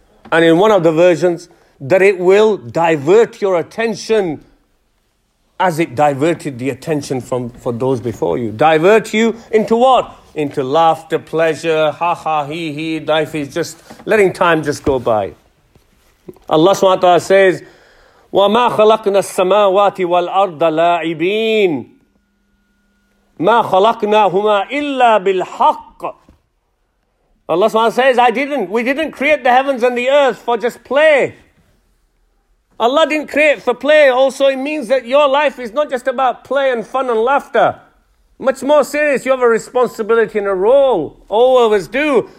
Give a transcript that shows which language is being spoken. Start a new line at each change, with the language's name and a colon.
English: And in one of the versions, that it will divert your attention as it diverted the attention for those before you. Divert you into what? Into laughter, pleasure, ha ha he he, life is just letting time just go by.
Arabic: Allah subhanahu wa ta'ala says, وَمَا خَلَقْنَا السَّمَاوَاتِ وَالْأَرْضَ لَاعِبِينَ مَا خَلَقْنَاهُمَا إِلَّا بِالْحَقِّ.
English: Allah subhanahu wa ta'ala says, we didn't create the heavens and the earth for just play. Allah didn't create for play. Also, it means that your life is not just about play and fun and laughter. Much more serious, you have a responsibility and a role. All of us do.